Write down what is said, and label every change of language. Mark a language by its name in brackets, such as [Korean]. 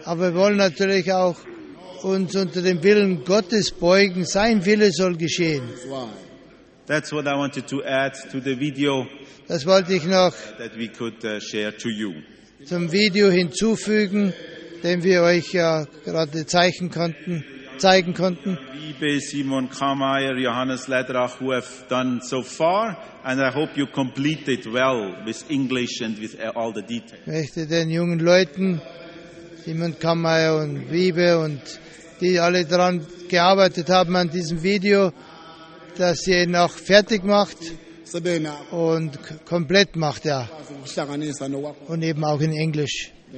[German] Aber wir wollen natürlich auch uns unter dem Willen Gottes beugen. Sein Wille soll geschehen. [English] That's what I wanted to add to the video. [German] Das wollte ich noch [English] that we could share to you. [German] Zum Video hinzufügen, den wir euch ja gerade zeigen konnten. [English] Liebe Simon Kammeyer, Johannes Lederach, who have done so far, and I hope you complete it well with English and with all the details. [German] Ich möchte den jungen Leuten, Simon Kammeyer und Liebe und die alle daran gearbeitet haben an diesem Video, dass ihr ihn auch fertig macht und komplett macht, ja. Und eben auch in Englisch.